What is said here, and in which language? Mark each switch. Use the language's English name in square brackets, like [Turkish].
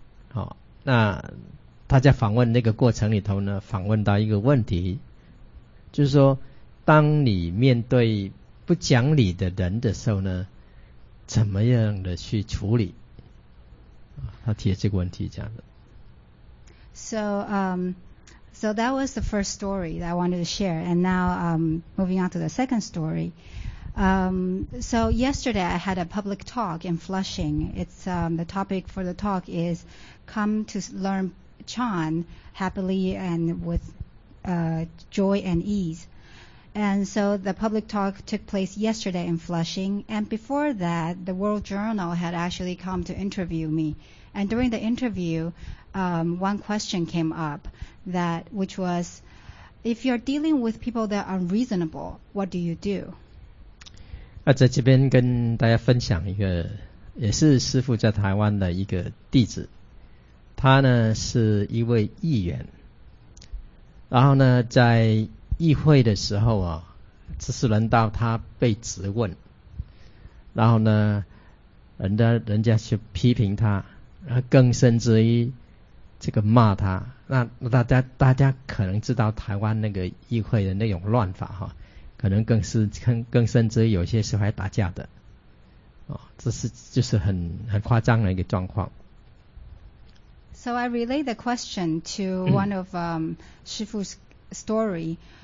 [Chinese] 好，那他在访问那个过程里头呢，访问到一个问题，就是说当你面对不讲理的人的时候呢，怎么样的去处理，他提了这个问题这样的。 [English] So that was the first story that I wanted to share, and now moving on to the second story. So yesterday I had a public talk in Flushing. It's the topic for the talk is come to learn Chan happily and with joy and ease. And so the public talk took place yesterday in Flushing. And before that, the World Journal had actually come to interview me. And during the interview, one question came up, that which was, if you're dealing with people that are unreasonable, what do you do? [Chinese] 在这边跟大家分享一个，也是师父在台湾的一个弟子。他呢是一位议员，然后呢在议会的时候啊，只是轮到他被质问，然后呢人家去批评他，然后更甚至于这个骂他。那大家可能知道台湾那个议会的那种乱法哈，可能更甚至于有些时候还打架的，这是就是很夸张的一个状况。 [English] So I relay the question to one of Shifu's story.